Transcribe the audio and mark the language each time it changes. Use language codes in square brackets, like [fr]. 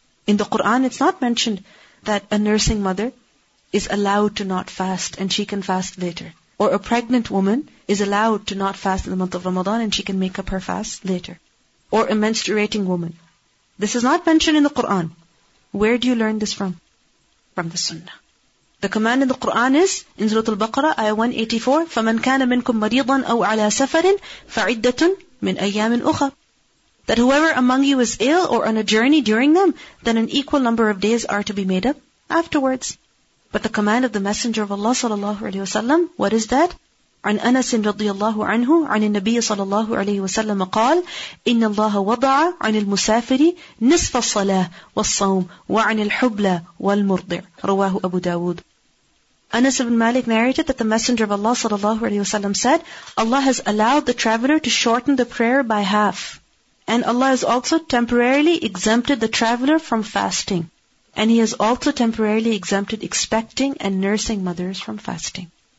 [en] In the Quran, it's not mentioned that a nursing mother is allowed to not fast and she can fast later. Or a pregnant woman is allowed to not fast in the month of Ramadan and she can make up her fast later. Or a menstruating woman. This is not mentioned in the Quran. Where do you learn this from? From the Sunnah. The command in the Quran is, in Surah Al-Baqarah, ayah 184, [ar] فَمَنْ كَانَ مِنْكُمْ مَرِيضًا أَوْ عَلَىٰ سَفَرٍ فَعِدَّةٌ مِنْ أَيَّامٍ أُخَرٍ. [en] That whoever among you is ill or on a journey during them, then an equal number of days are to be made up afterwards. But the command of the Messenger of Allah sallallahu alayhi wa sallam, what is that? [ar] عن أنس رضي الله عنه عن النبي صلى الله عليه وسلم قال إن الله وضع عن المسافر نصف الصلاة والصوم وعن الحبلة والمرضع رواه أبو داود. [en] Anas ibn Malik narrated that the Messenger of Allah sallallahu alayhi wa sallam said, Allah has allowed the traveler to shorten the prayer by half. And Allah has also temporarily exempted the traveler from fasting. And he has also temporarily exempted expecting and nursing mothers from fasting.